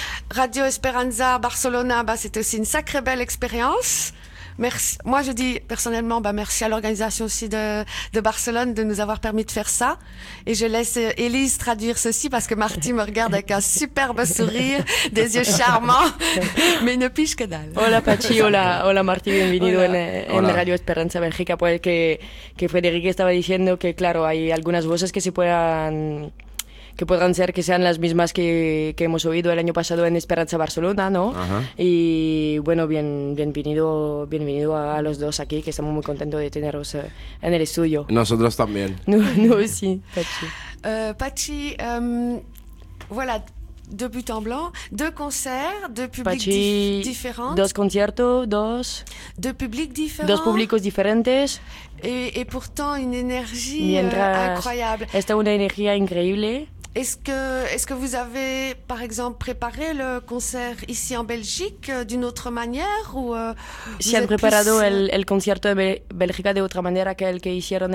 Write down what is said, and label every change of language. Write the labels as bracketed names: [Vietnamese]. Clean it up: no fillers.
[French] Radio Esperanza, Barcelona, ben, c'est aussi une sacrée belle expérience. Merci. Moi, je dis personnellement, ben, merci à l'organisation aussi de Barcelone de nous avoir permis de faire ça. Et je laisse Élise traduire ceci parce que Marty me regarde avec un superbe sourire, des yeux charmants, mais il ne piche que dalle. [Spanish] Hola, Pachi. Hola, hola Marty. Bienvenido en Radio Esperanza Bélgica. Pues que Frédéric estaba diciendo que, claro, hay algunas voces que se puedan... que podrán ser que sean las mismas que hemos oído el año pasado en Esperanza Barcelona, ¿no? Ajá. Y bueno, bienvenido a los dos aquí, que estamos muy contentos de teneros en el estudio. Nosotros también. No, sí, Pachi. [French] Pachi, voilà, deux buts en blanc, deux concerts, deux publics Pachi, différents. [Spanish] Dos conciertos, dos. [French] Deux publics différents. [Spanish] Dos públicos diferentes. [French] Et pourtant une énergie incroyable. [Spanish] Esta una energía increíble. [French] Est-ce que vous avez, par exemple, préparé le concert ici en Belgique d'une autre manière ou [Spanish] si han preparado plus... el concierto de Bélgica de otra manera que el que hicieron